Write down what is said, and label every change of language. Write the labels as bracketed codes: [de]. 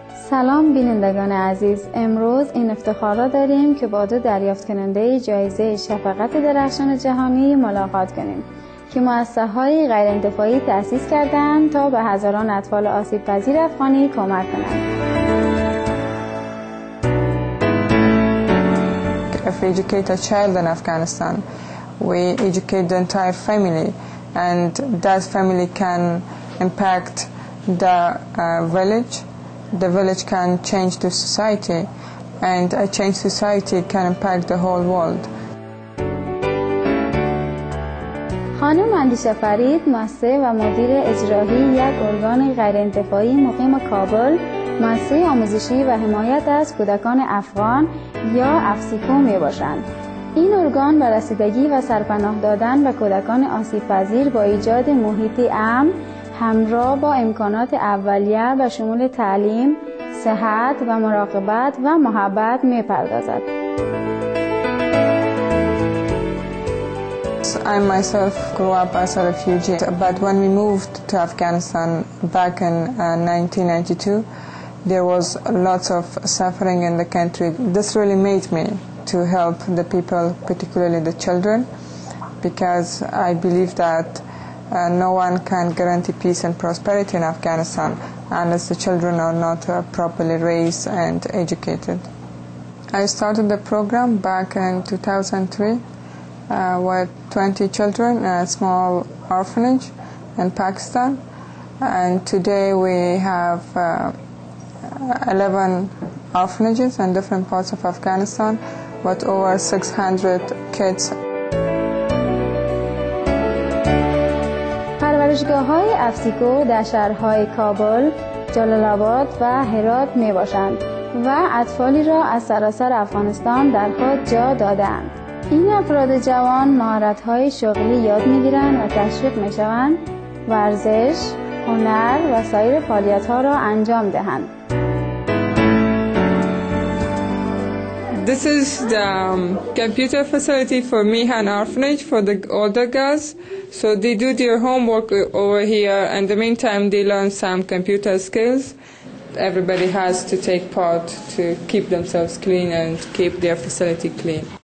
[fa] سلام بینندگان عزیز، امروز این افتخار را داریم که با دو دریافت کننده جایزه شفقت درخشان جهانی ملاقات کنیم که مؤسسه‌های غیر انتفاعی تأسیس کردند تا به هزاران اطفال آسیب پذیر افغانی کمک کنند. [en] If we educate a child in Afghanistan, we educate the entire family, and that family can impact the village. The village can change the society, and a changed society can impact the whole world. [fa] خانم اندیشه فرید، مؤسسه و مدیر اجرایی یک ارگان غیرانتفاعی مقیم کابل، مؤسسه آموزشی و حمایت از کودکان افغان یا افسیکو می باشند. این ارگان به رسیدگی و سرپناه دادن به کودکان آسیب پذیر با ایجاد محیطی امن همراه با امکانات اولیه به شمول تعلیم، صحت و مراقبت و محبت می پردازد. [en] I myself grew up as a refugee, but when we moved to Afghanistan back in 1992, there was lots of suffering in the country. This really made me to help the people, particularly the children, because I believe that no one can guarantee peace and prosperity in Afghanistan unless the children are not properly raised and educated. I started the program back in 2003 with 20 children in a small orphanage in Pakistan, and today we have 11 orphanages in different parts of Afghanistan with over 600 kids. [fa] پرورشگاه های افسیکو در شهرهای کابل، جلال آباد و هرات می باشند و اطفالی را از سراسر افغانستان در خود جا دادند. این افراد جوان مهارت های شغلی یاد می گیرند و تشویق می شوند ورزش، هنر و سایر فعالیت ها را انجام دهند. [en] This is the computer facility for me and orphanage for the older girls. So they do their homework over here, and in the meantime they learn some computer skills. everybody has to take part to keep themselves clean and keep their facility clean.